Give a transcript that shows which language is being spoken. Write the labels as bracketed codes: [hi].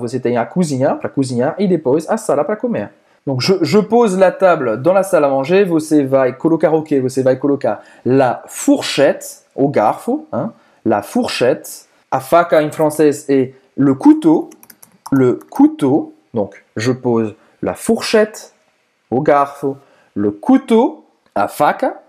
[pt] Você tem a cozinha para cozinhar e depois a sala para comer. [fr] Donc, je pose la table dans la salle à manger. [pt] Você vai colocar o quê? Você vai colocar [fr] la fourchette, [pt] o garfo. Hein? [fr] La fourchette. [pt] A faca em francês é le couteau. [fr] Le couteau. Donc, je pose la fourchette, [pt] o garfo. [fr] Le couteau. [pt] A faca.